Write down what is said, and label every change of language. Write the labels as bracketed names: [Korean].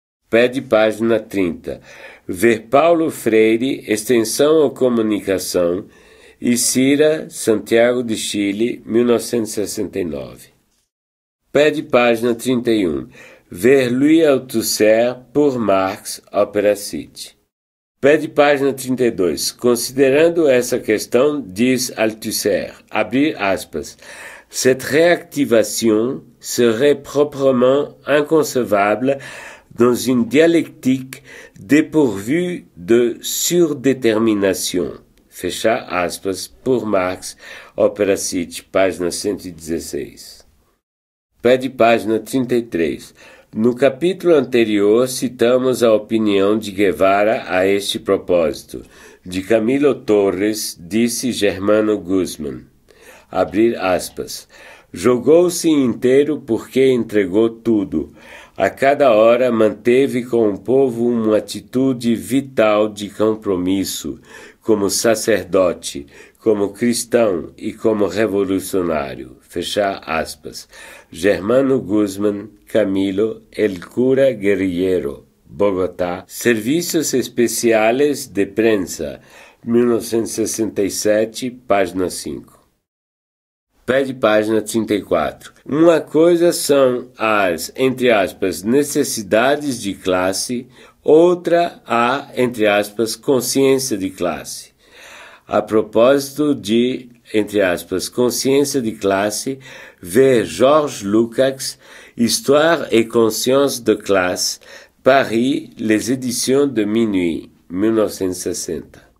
[Portuguese] Pede página 30. Ver Paulo Freire, Extensão ou Comunicação, e Cira, Santiago de Chile, 1969. Pede página 31. Ver Louis Althusser por Marx, Opera City. Pede página 32. Considerando essa questão, diz Althusser, abrir aspas, [French] Cette réactivation serait proprement inconcevable dans une dialectique dépourvue de surdétermination. [Portuguese] Fecha aspas pour Marx, Opera City, página 116. Pé de página 33. No capítulo anterior, citamos a opinião de Guevara a este propósito. De Camilo Torres, disse Germano Guzmán. Abrir aspas. Jogou-se inteiro porque entregou tudo. A cada hora manteve com o povo uma atitude vital de compromisso, como sacerdote, como cristão e como revolucionário. Fechar aspas. Germano Guzmán, Camilo, El Cura Guerrillero, Bogotá. Servicios Especiales de Prensa, 1967, página 5. Pé de página 34. Uma coisa são as, entre aspas, necessidades de classe, outra a, entre aspas, consciência de classe. A propósito de, entre aspas, consciência de classe, ver Georges Lukács, Histoire et conscience de classe, Paris, Les Éditions de Minuit, 1960.